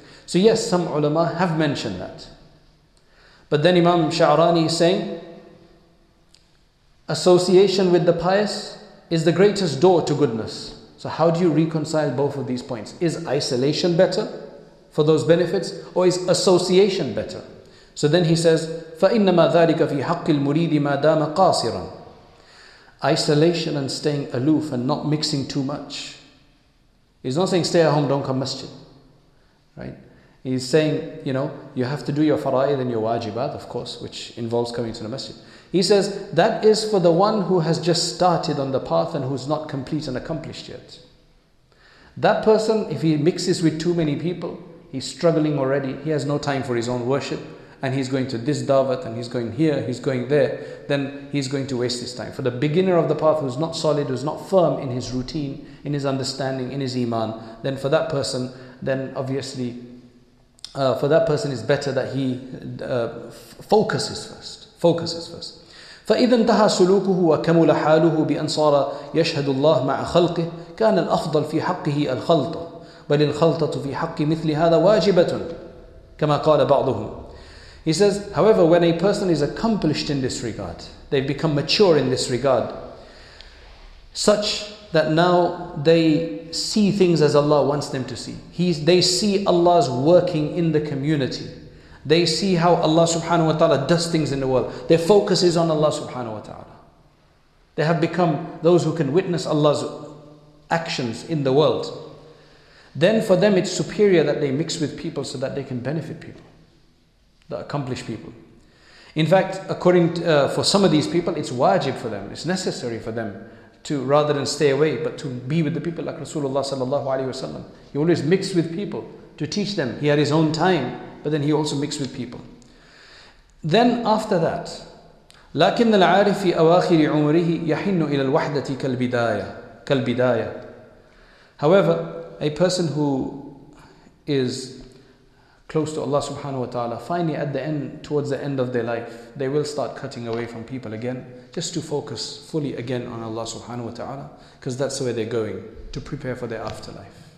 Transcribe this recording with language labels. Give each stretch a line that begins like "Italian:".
English: So yes, some ulama have mentioned that. But then Imam Sha'rani is saying, association with the pious is the greatest door to goodness. So how do you reconcile both of these points? Is isolation better for those benefits, or is association better? So then he says,
Arabic: فَإِنَّمَا ذَلِكَ فِي حَقِّ الْمُرِيدِ مَا دَامَ قَاصِرًا.
English: Isolation and staying aloof and not mixing too much. He's not saying stay at home, don't come masjid. Right? He's saying, you know, you have to do your fara'id and your wajibat, of course, which involves coming to the masjid. He says, that is for the one who has just started on the path and who's not complete and accomplished yet. That person, if he mixes with too many people, he's struggling already, he has no time for his own worship, and he's going to this da'wat, and he's going here, he's going there, then he's going to waste his time. For the beginner of the path who's not solid, who's not firm in his routine, in his understanding, in his iman, then for that person, then obviously, for that person it's better that he focuses first. Focuses first.
Arabic: فإذا انتهى سلوكه وكمل حاله بأن صار يشهد الله مع خلقه كان الأفضل في حقه الخلطة بل الخلطة في حق مثل هذا واجبة كما قال بعضهم.
English: He says, however, when a person is accomplished in this regard, they've become mature in this regard, such that now they see things as Allah wants them to see. They see Allah's working in the community. They see how Allah subhanahu wa ta'ala does things in the world. Their focus is on Allah subhanahu wa ta'ala. They have become those who can witness Allah's actions in the world. Then for them it's superior that they mix with people so that they can benefit people, the accomplished people. In fact, according to, for some of these people, it's wajib for them, it's necessary for them to, rather than stay away, but to be with the people like Rasulullah sallallahu alayhi wa sallam. He always mixed with people to teach them. He had his own time, but then he also mixed with people. Then after that,
Arabic: لكن العارف في أواخر عمره يحن إلى الوحدة كالبداية كالبداية.
English: However, a person who is close to Allah subhanahu wa ta'ala, finally at the end, towards the end of their life, they will start cutting away from people again, just to focus fully again on Allah subhanahu wa ta'ala, because that's where they're going, to prepare for their afterlife.